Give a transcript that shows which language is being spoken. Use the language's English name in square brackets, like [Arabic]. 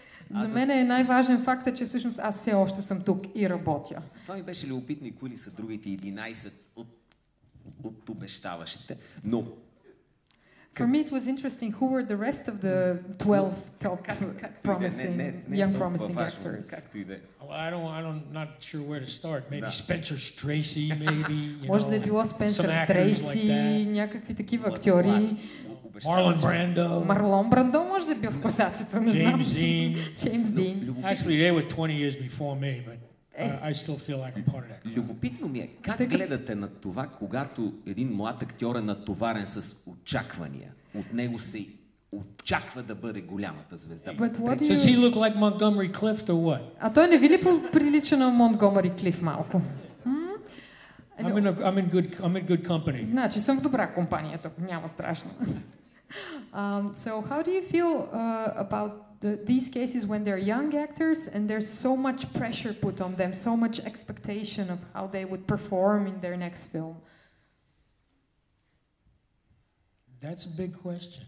[Bulgarian] За мен е най-важен факт, че всъщност аз все още съм тук и работя. Това ми беше любопитно, кои ли са другите 11 от обещаващите, но... [English] For me it was interesting who were the rest of the 12 top promising, young promising actors. [Bulgarian] Както и да е. [English] I'm not sure where to start. Maybe Spencer Tracy, maybe, [Bulgarian] може да било Spencer Tracy, някакви такива актьори. [English] Marlon Brando. [Bulgarian] Marlon Brando може да бил в класацията, не знам. [English] James Dean. Actually, they were 20 years before me, but I still feel like I'm part of that. [Bulgarian] Любопитно ми е, как гледате на това, когато един млад актьор е натоварен с очаквания? От него се очаква да бъде голямата звезда. [English] Does he look like Montgomery Clift or what? [Bulgarian] А той не ви ли прилича на Montgomery Clift малко? [English] I'm in good company. [Bulgarian] Значи съм в добра компания, тук няма страшно. [English] So how do you feel about these cases when they're young actors and there's so much pressure put on them, so much expectation of how they would perform in their next film? That's a big question.